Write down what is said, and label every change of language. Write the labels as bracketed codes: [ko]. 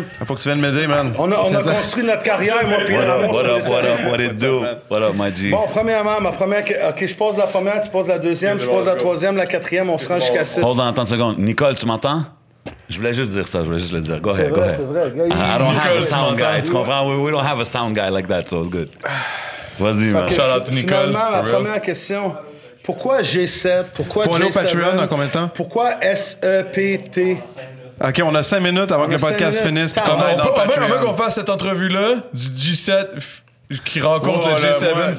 [fr] Il faut que tu viennes m'aider, man. On a construit notre carrière, moi, puis [en] What up, my G? [fr] Bon, premièrement, ma première. Ok, je pose la première, tu poses la deuxième, je pose la troisième, la quatrième, on se rend jusqu'à 6. [en] Hold on, [fr] attends une seconde. Nicole, tu m'entends? Je voulais juste le dire. [en] Go ahead. [fr] C'est vrai. [en] I don't have a sound guy. [fr] Tu comprends? [en] We don't have a sound guy like that, so it's good. [fr] Vas-y, man. [en] Shout out to Nicole. [fr] Finalement, ma première question. Pourquoi G7? Pourquoi G7? Pour aller au Patreon, dans combien de temps? Pourquoi S-E-P-T? OK, on a 5 minutes avant que le podcast finisse. Puis qu'on aille dans le Patreon. On veut qu'on fasse cette entrevue-là du G7 qui rencontre le G7.